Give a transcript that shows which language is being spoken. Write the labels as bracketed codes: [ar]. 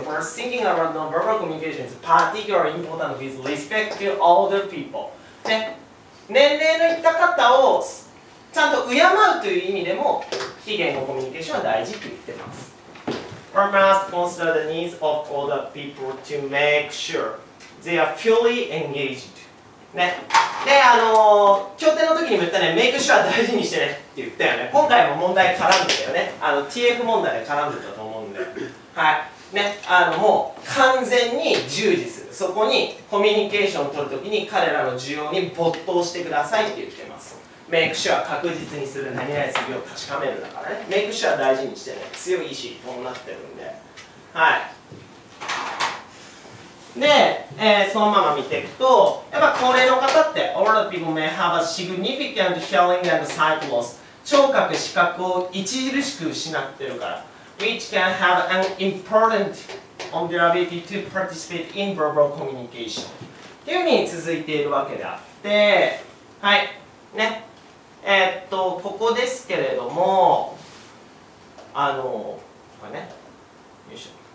[en] For thinking about non-verbal communication is particularly important with respect to older people。 [ja] ね、年齢のいった方をちゃんと敬うという意味でも非言語コミュニケーションは大事と言ってます。 [en] We must consider the needs of older people to make sure they are fully engaged。 [ja] ね、で、協定の時にも言ったね、メイクシュア大事にしてねって言ったよね。今回も問題絡んでたよね。TF 問題で絡んでたと思うんで。はい。ね、もう完全に従事する。そこにコミュニケーションを取るときに彼らの需要に没頭してくださいって言ってます。メイクシュア確実にする。何々するよ、確かめるだからね。メイクシュア大事にしてね。強い意志、こうなってるんで。はい。で、そのまま見ていくと、やっぱ高齢の方って、 [en] Older people may have a significant hearing and sight loss。 [ja] 聴覚、視覚を著しく失ってるから。 [en] Which can have an important on their ability to participate in verbal communication。 [ja] っていうふうに続いているわけであって、はい、ね。ここですけれども、これね。よいしょ。